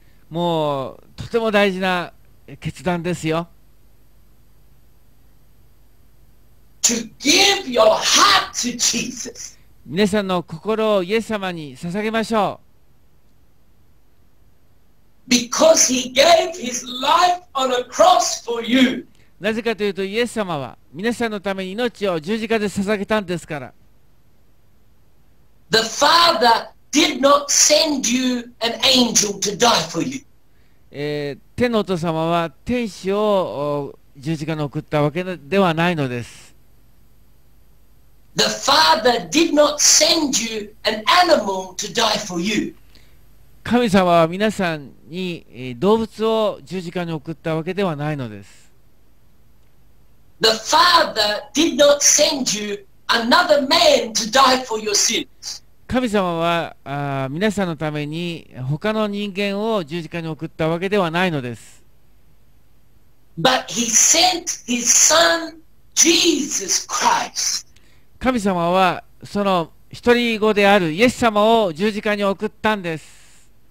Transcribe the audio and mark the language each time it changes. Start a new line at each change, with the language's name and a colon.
Japanese: もうとても大事な決断ですよ。
English: To give your heart to Jesus.
Japanese: 皆さんの心をイエス様に捧げましょう。
English: Because he gave his life on a cross for you.
Japanese: なぜかというとイエス様は皆さんのために命を十字架で捧げたんですから。
English: The Father did not send you an angel to die for you.
Japanese: 天のお父様は天使を十字架に送ったわけではないのです。
English: The Father did not send you an animal to die for you.
Japanese: 神様は皆さんに動物を十字架に送ったわけではないのです。
English: The Father did not send you another man to die for your sins.
Japanese: 神様は皆さんのために他の人間を十字架に送ったわけではないのです。
English: But he sent his son, Jesus Christ.
Japanese: 神様はその一人子であるイエス様を十字架に送ったんです。